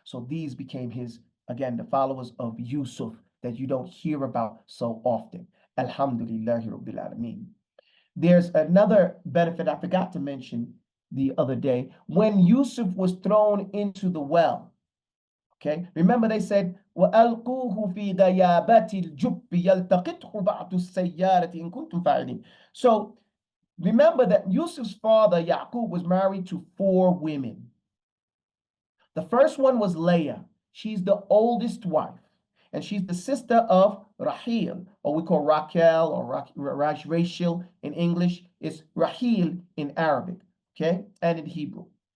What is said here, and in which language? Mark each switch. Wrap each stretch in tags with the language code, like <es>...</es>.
<en>So these became his, again, the followers of Yusuf that you don't hear about so often. Alhamdulillahi Rabbil Alameen. There's another benefit I forgot to mention the other day. When Yusuf was thrown into the well, okay? Remember they said,</en> <ar>وَأَلْقُوهُ فِي غَيَابَةِ الْجُبِّ يَلْتَقِطْهُ بَعْضُ السَّيَّارَةِ إِن كُنْتُمْ فَاعِلِينَ.</ar> <en>So remember that Yusuf's father, Ya'qub, was married to four women. The first one was Leah. She's the oldest wife. And she's the sister of Rahil, or we call Raquel or Rachel in English. It's Rahil in Arabic, okay, and in Hebrew.</en>